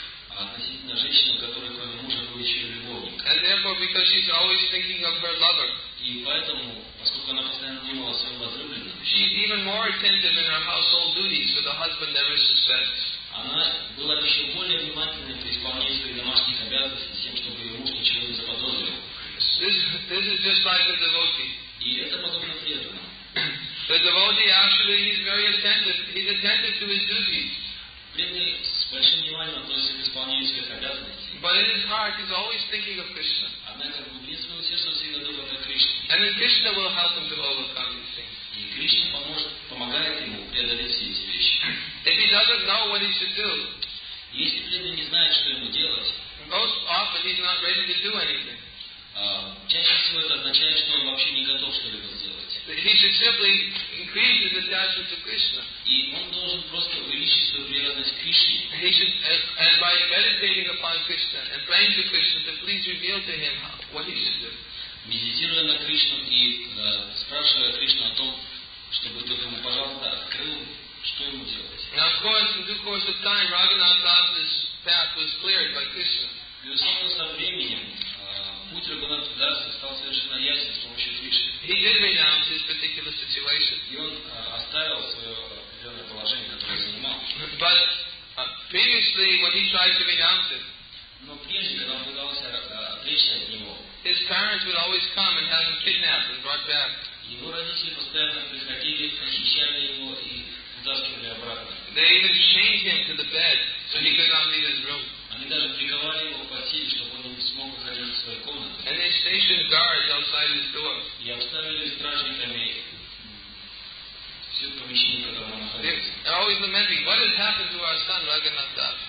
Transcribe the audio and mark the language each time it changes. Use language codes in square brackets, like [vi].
[ru] Относительно женщины, которая кроме мужа была еще и любовник. [en] And therefore, because she's always thinking of her lover. [ru] И поэтому, поскольку она постоянно думала о своем возлюбленном. [en] She's even more attentive in her household duties, so the husband never suspects. [ru] Она была еще более внимательна при исполнении своих домашних обязанностей, тем, чтобы ее муж ничего не заподозрил. [en] This is just like the devotee. [ru] И это подобно преданному. [en] The devotee actually he's very attentive. He's attentive to his duties. [ru] Преданный с большим вниманием относится к исполнению своих обязанностей. [en] But in his heart, he's always thinking of Krishna. [ru] Однако в глубине своего сердца всегда думает о Кришне. [en] And then Krishna will help him to overcome these things. [ru] И Кришна помогает ему преодолеть все эти вещи. [en] If he doesn't know what he should do, [ru] если преданный не знает, что ему делать, [en] most often he's not ready to do anything. [ru] Чаще всего это означает, что он вообще не готов что-либо сделать. [en] He should simply increase his attachment to Krishna. [ru] И он должен просто увеличить свою привязанность к Кришне. [en] He should, and by meditating upon Krishna and praying to Krishna to please reveal to him what he should do. [ru] Медитируя на Кришну и спрашивая Кришну о том, чтобы тот ему, пожалуйста, открыл, что ему делать. [en] Now, of course, in due course of time, Raghunath Das's path was cleared by Krishna. [ru] И успел со временем. Путь Раганатха Даса стал совершенно ясен с помощью Кришны. [en] He did renounce his particular situation. [ru] И он оставил свое определенное положение, которое занимал. [en] But previously, when he tried to renounce it, [ru] но прежде, когда он пытался отречься от него, [en] his parents would always come and have him kidnapped and brought back. [ru] Его родители постоянно приходили, похищали его и вытаскивали обратно. [en] They even chained him to the bed so he could not leave his room. [ru] Они даже приковали его в постели, чтобы он не смог выходить из своей комнаты. [en] And they stationed guards outside his door. [ru] И обставили стражниками все помещение, в котором он находился. [en] They're always lamenting, what has happened to our son Raghunath Das?